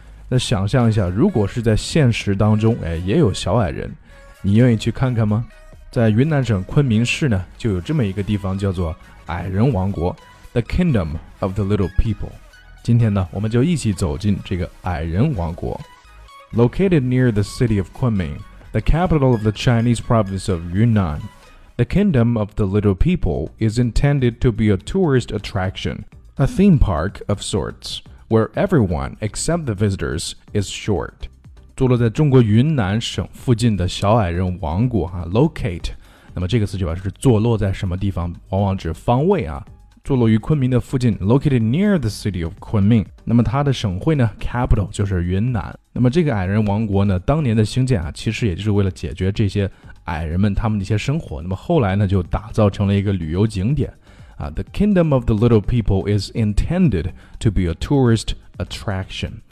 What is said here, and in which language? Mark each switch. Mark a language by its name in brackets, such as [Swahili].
[Chinese] 那想象一下，如果是在现实当中，哎，也有小矮人，你愿意去看看吗？在云南省昆明市呢，就有这么一个地方叫做矮人王国 ，The Kingdom of the Little People。今天呢，我们就一起走进这个矮人王国。 [English] Located near the city of Kunming, the capital of the Chinese province of Yunnan, the Kingdom of the Little People is intended to be a tourist attraction, a theme park of sorts. Where everyone except the visitors is short. [Chinese] 坐落在中国云南省附近的小矮人王国、啊、locate, 那么这个词就表示坐落在什么地方，往往指方位啊。坐落于昆明的附近 , [English] located near the city of Kunming. [Chinese] 那么它的省会呢 ,capital, 就是云南。那么这个矮人王国呢，当年的兴建啊，其实也就是为了解决这些矮人们他们的一些生活。那么后来呢，就打造成了一个旅游景点。 [English] The Kingdom of the Little People is intended to be a tourist attraction.